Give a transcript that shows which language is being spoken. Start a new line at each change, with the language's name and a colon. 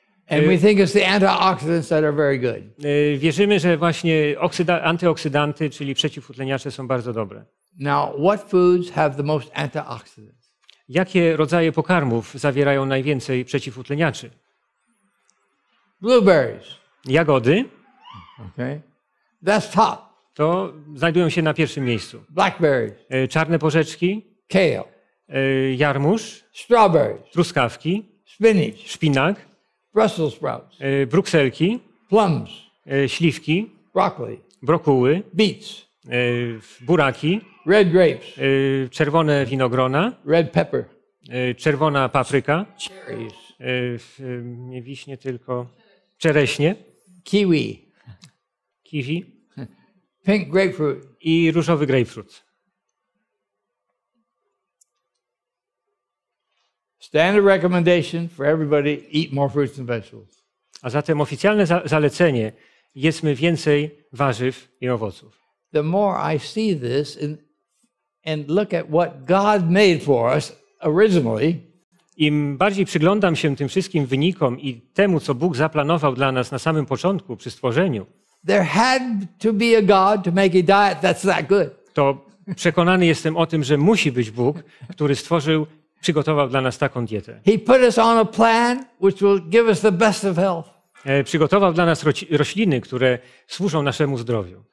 English: And we think it's the antioxidants that are very good.
Polish: Wierzymy, że właśnie antyoksydanty, czyli przeciwutleniacze, są bardzo dobre.
English: Now, what foods have the most antioxidants?
Polish: Jakie rodzaje pokarmów zawierają najwięcej przeciwutleniaczy?
English: Blueberries.
Polish: Jagody.
English: Okay. That's top.
Polish: To znajdują się na pierwszym miejscu.
English: Blackberries.
Polish: Czarne porzeczki.
English: Kale.
Polish: Jarmuż.
English: Strawberries.
Polish: Truskawki.
English: Spinach.
Polish: Szpinak.
English: Brussels sprouts.
Polish: Brukselki.
English: Plums.
Polish: Śliwki.
English: Broccoli.
Polish: Brokuły.
English: Beets.
Polish: Buraki.
English: Red grapes.
Polish: Czerwone winogrona.
English: Red pepper.
Polish: Czerwona papryka.
English: Cherries.
Polish: Nie wiśnie, tylko czereśnie.
English: Kiwi.
Polish: Kiwi.
English: Pink grapefruit.
Polish: I różowy grapefruit.
English: Standard recommendation for everybody: eat more fruits and vegetables.
Polish: A zatem oficjalne zalecenie: jedzmy więcej warzyw i owoców.
English: The more I see this and look at what God made for us originally,
Polish: im bardziej przyglądam się tym wszystkim wynikom i temu, co Bóg zaplanował dla nas na samym początku przy stworzeniu,
English: there had to be a God to make a diet that's that good.
Polish: To przekonany jestem o tym, że musi być Bóg, który stworzył, przygotował dla nas taką dietę.
English: He put us on a plan which will give us the best of health.
Polish: Przygotował dla nas rośliny, które służą naszemu zdrowiu.